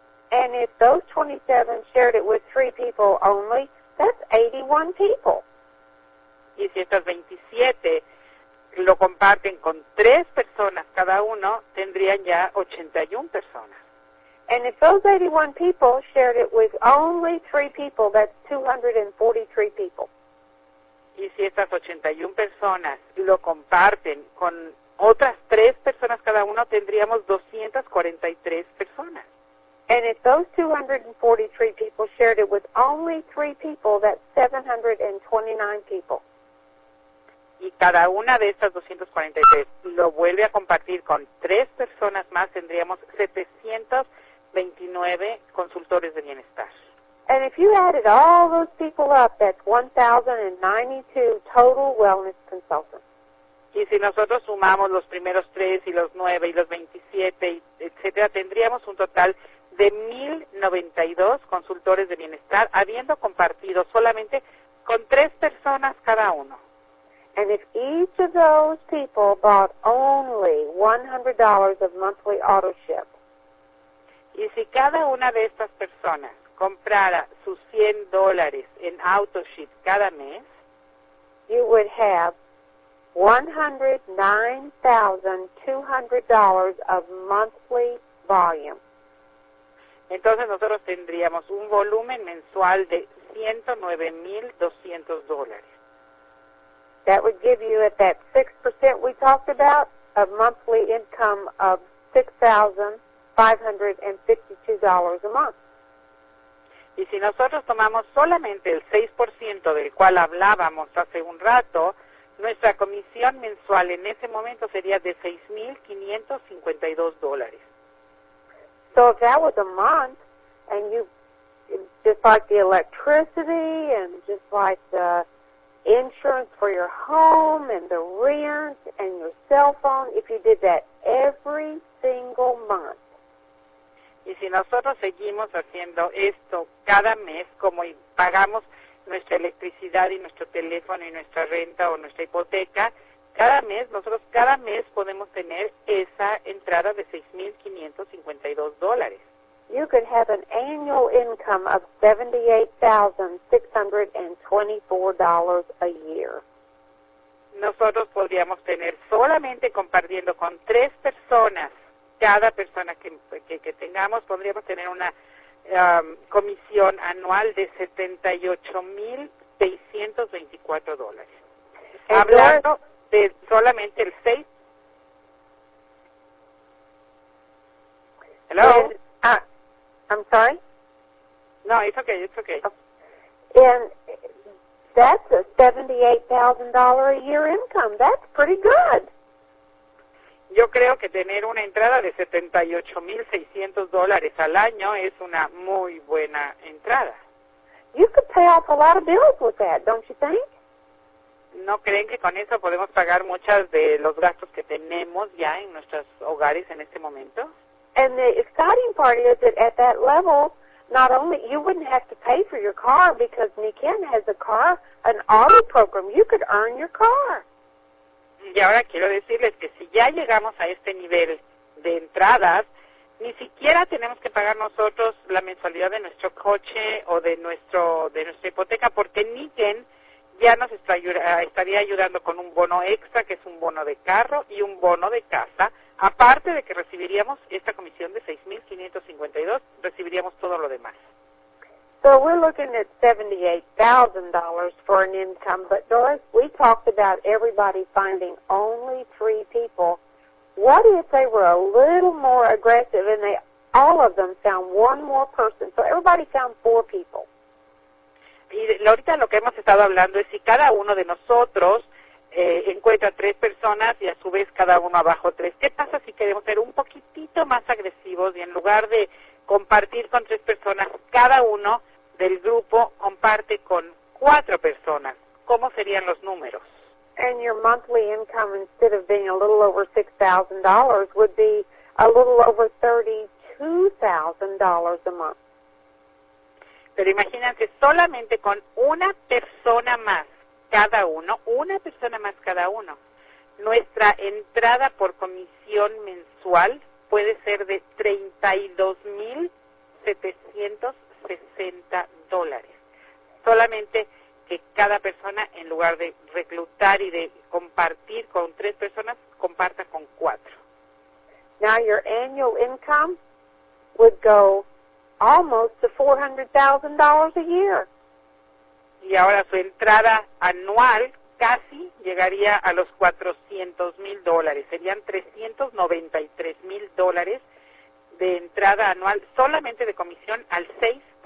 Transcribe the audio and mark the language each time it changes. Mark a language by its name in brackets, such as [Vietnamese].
[English] And if those 27 shared it with 3 people only, that's 81 people. [Spanish] Y si estas 27 lo comparten con 3 personas cada uno, tendrían ya 81 personas. [English] And if those 81 people shared it with only 3 people, that's 243 people. [Spanish] Y si estas 81 personas lo comparten con otras 3 personas cada uno, tendríamos 243 personas. [English] And if those 243 people shared it with only 3 people, that's 729 people. [Spanish] Y cada una de estas 243 lo vuelve a compartir con 3 personas más, tendríamos 729 consultores de bienestar. [English] And if you added all those people up, that's 1,092 total wellness consultants. [Spanish] Y si nosotros sumamos los primeros 3 y los 9 y los 27, etcétera, tendríamos un total de 1,092 consultores de bienestar, habiendo compartido solamente con 3 personas cada uno. [English] And if each of those people bought only $100 of monthly auto ship. [Spanish] Y si cada una de estas personas comprara sus $100 en auto ship cada mes, [English] you would have $109,200 of monthly volume. [Spanish] Entonces nosotros tendríamos un volumen mensual de $109,200. [English] That would give you at that 6% we talked about a monthly income of $6,552 a month. [Spanish] Y si nosotros tomamos solamente el 6% del cual hablábamos hace un rato, nuestra comisión mensual en ese momento sería de $6,552. [English] So if that was a month, and you, just like the electricity, and just like the insurance for your home, and the rent, and your cell phone, if you did that every single month. [Spanish] Y si nosotros seguimos haciendo esto cada mes, como pagamos nuestra electricidad y nuestro teléfono y nuestra renta o nuestra hipoteca, cada mes, nosotros cada mes podemos tener esa entrada de $6,552. [English] You could have an annual income of $78,624 a year. [Spanish] Nosotros podríamos tener solamente compartiendo con 3 personas, cada persona que tengamos, podríamos tener una comisión anual de $78,624. Hablando de solamente el 6. [English] Hello. I'm sorry? No, it's okay. And that's a $78,000 a year income. That's pretty good. [Spanish] Yo creo que tener una entrada de $78,600 al año es una muy buena entrada. [English] You could pay off a lot of bills with that, don't you think? [Spanish] ¿No creen que con eso podemos pagar muchas de los gastos que tenemos ya en nuestros hogares en este momento? [English] And the exciting part is that at that level, not only you wouldn't have to pay for your car because Niken has a car, an auto program. You could earn your car. [Spanish] Y ahora quiero decirles que si ya llegamos a este nivel de entradas, ni siquiera tenemos que pagar nosotros la mensualidad de nuestro coche o de nuestra hipoteca porque Niken ya nos estaría ayudando con un bono extra, que es un bono de carro y un bono de casa. Aparte de que recibiríamos esta comisión de $6,552, recibiríamos todo lo demás. [English] So we're looking at $78,000 for an income, but Doris, we talked about everybody finding only 3 people. What if they were a little more aggressive and all of them found one more person? So everybody found 4 people. [Spanish] Y ahorita lo que hemos estado hablando es si cada uno de nosotros encuentra 3 personas y a su vez cada uno abajo 3. ¿Qué pasa si queremos ser un poquitito más agresivos y en lugar de compartir con tres personas. Cada uno del grupo comparte con cuatro personas. ¿Cómo serían los números? [English] And your monthly income, instead of being a little over $6,000, would be a little over $32,000 a month. [Spanish] Pero imagínate, solamente con una persona más cada uno, una persona más cada uno, nuestra entrada por comisión mensual puede ser de $32,760. Solamente que cada persona, en lugar de reclutar y de compartir con tres personas, comparta con cuatro. [English] Now your annual income would go almost to $400,000 a year. [Spanish] Y ahora su entrada anual casi llegaría a los $400,000. Serían $393,000 de entrada anual solamente de comisión al 6%.